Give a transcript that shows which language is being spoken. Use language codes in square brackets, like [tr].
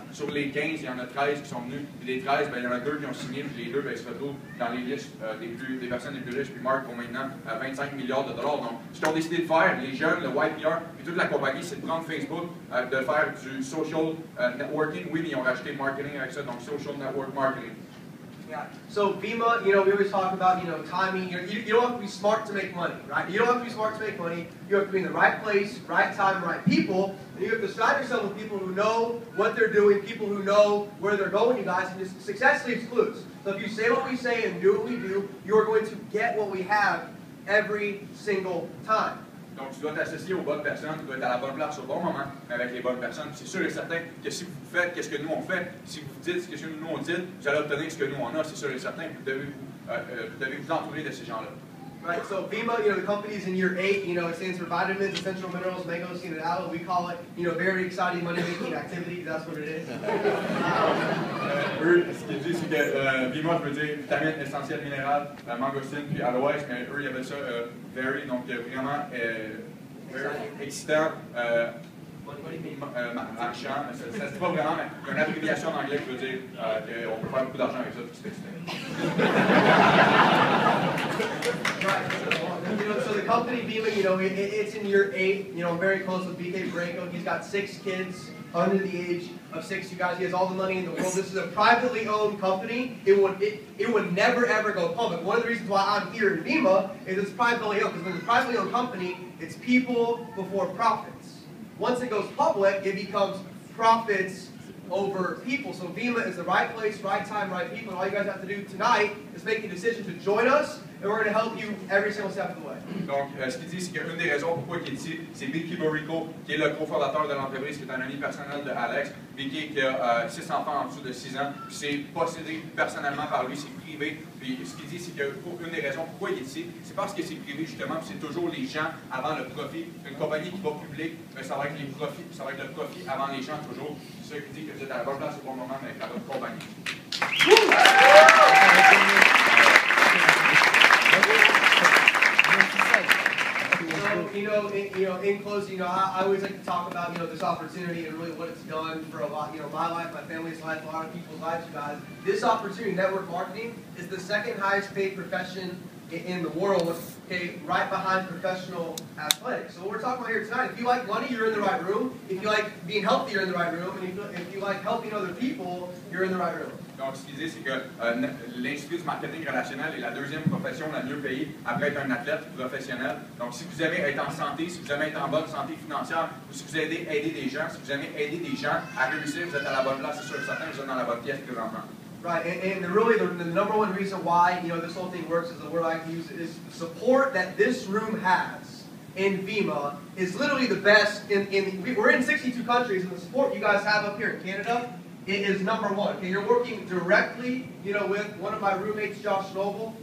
[fr] Sur les 15, il y en a 13 qui sont venus. Puis les 13, ben, il y en a 2 qui ont signé, puis les 2, ben, ils se retrouvent dans les listes des personnes les plus riches. Puis Mark, pour maintenant, 25 milliards de dollars. Donc, ce qu'ils ont décidé de faire, les jeunes, le YPR, puis toute la compagnie, c'est de prendre Facebook, de faire du social networking. Oui, mais ils ont rajouté marketing avec ça, donc social network marketing. [en] Yeah. So Bhima, you know, we always talk about, you know, timing. You don't have to be smart to make money, right? You don't have to be smart to make money. You have to be in the right place, right time, right people. And you have to surround yourself with people who know what they're doing, people who know where they're going, you guys. And just success leaves clues. So if you say what we say and do what we do, you are going to get what we have every single time. [fr] Donc, tu dois t'associer aux bonnes personnes, tu dois être à la bonne place au bon moment, mais avec les bonnes personnes. Puis c'est sûr et certain que si vous faites qu'est-ce que nous on fait, si vous dites qu'est-ce que nous on dit, vous allez obtenir ce que nous on a, c'est sûr et certain. Vous devez vous entourer de ces gens-là. [en] Right, so Bhima, you know, the company is in year 8, you know, it stands for vitamins, essential minerals, mangoes, and aloe. We call it, you know, very exciting money-making activity, that's what it is. [fr] Ce qu'ils disent, c'est que Bhima, je veux dire, vitamines essentielles minérales, mangostine, puis aloe, mais eux, ils avaient ça, very, donc vraiment, very excitant, marchand, ça se dit pas vraiment, mais il y a une abréviation en anglais qui veut dire qu'on peut faire beaucoup d'argent avec ça, puis c'est excitant. [en] Right. So the company Bhima, you know, it's in year 8. You know, I'm very close with BK Branko. He's got 6 kids under the age of 6. You guys, he has all the money in the world. This is a privately owned company. It would never ever go public. One of the reasons why I'm here in Bhima is it's privately owned. Because when it's a privately owned company, it's people before profits. Once it goes public, it becomes profits over people. So Bhima is the right place, right time, right people. And all you guys have to do tonight is make a decision to join us. And we're going to help you every single step of the way. [fr] Donc, ce qu'il dit, c'est qu'une des raisons pourquoi il est ici, c'est Vicky Borico, qui est le cofondateur de l'entreprise, qui est un ami personnel de Alex. Vicky, qui a 6 enfants en dessous de 6 ans, puis c'est possédé personnellement par lui, c'est privé. Puis ce qu'il dit, c'est qu'une des raisons pourquoi il est ici, c'est parce que c'est privé, justement, puis c'est toujours les gens avant le profit. Une compagnie qui va public, mais ça va être les profits, puis ça va être le profit avant les gens, toujours. C'est ça qu'il dit que vous êtes à la bonne place au bon moment, mais à votre compagnie. [en] In closing, I always like to talk about, you know, this opportunity and really what it's done for a lot, you know, my life, my family's life, a lot of people's lives, you guys. This opportunity, network marketing, is the second highest paid profession in the world, okay, right behind professional athletics. So what we're talking about here tonight, if you like money, you're in the right room. If you like being healthy, you're in the right room. And if you like helping other people, you're in the right room. [fr] Donc, ce qu'ils disent, c'est que l'industrie du marketing relationnel est la deuxième profession la mieux payée après être un athlète professionnel. Donc, si vous aimez être en santé, si vous aimez être en bonne santé financière, ou si vous aimez aider des gens, si vous aimez aider des gens à réussir, vous êtes à la bonne place, c'est sûr, certain, vous êtes dans la bonne pièce présentement. [en] Right, and really the number one reason why, you know, this whole thing works is the word I can use is the support that this room has in Bhima is literally the best. We're in 62 countries, and the support you guys have up here in Canada, it is number one. Okay, you're working directly, you know, with one of my roommates, Josh Noble.